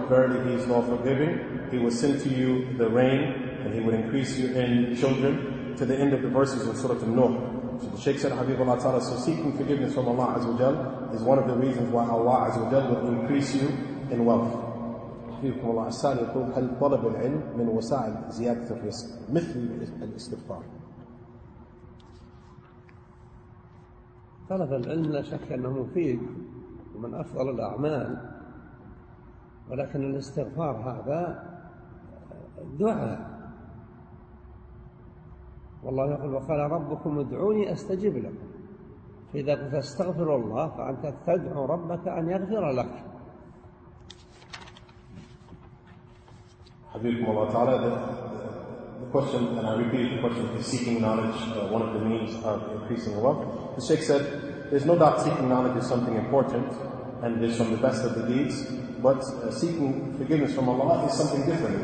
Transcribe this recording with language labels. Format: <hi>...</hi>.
<en>Verily, He is all forgiving. He will send to you the rain, and He will increase you in children. To the end of the verses in Surah An-Nur. So the Shaykh said, Habib Allah Ta'ala, so seeking forgiveness from Allah Azza wa Jal is one of the reasons why Allah Azza wa Jal will increase you in wealth.</en> <ar>فيكم الله السائل يقول هل طلب العلم من وسائل زيادة الرزق مثل الاستغفار؟ طلب العلم لا شك أنه مفيد ومن أفضل الأعمال، ولكن الاستغفار هذا دعاء، والله يقول وقال ربكم ادعوني أستجب لكم، فإذا تستغفر الله فأنت تدعو ربك أن يغفر لك. حبيبكم الله تعالى،</ar> <en>the question, and I repeat the question, is seeking knowledge one of the means of increasing wealth. The Sheikh said, there's no doubt seeking knowledge is something important, and it is from the best of the deeds, but seeking forgiveness from Allah is something different.</en>